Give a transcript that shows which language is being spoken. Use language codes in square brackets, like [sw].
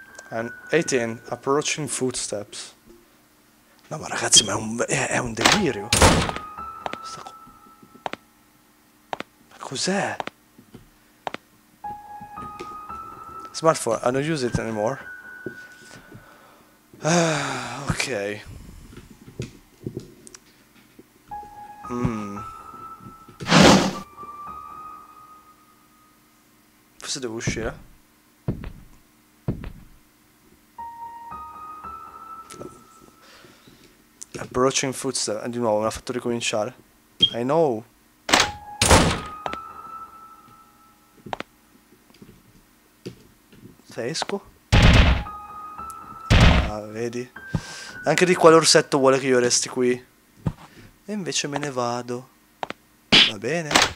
[en] And 18, approaching footsteps. [it] No, ma ragazzi, ma è un delirio. Cos'è? [en] Smartphone, I don't use it anymore. Ok. [it] Forse devo uscire. [en] Approaching footsteps. [it] Di nuovo, mi ha fatto ricominciare. [en] I know. [it] Se esco? Ah, vedi? Anche di quale orsetto vuole che io resti qui? E invece me ne vado. Va bene.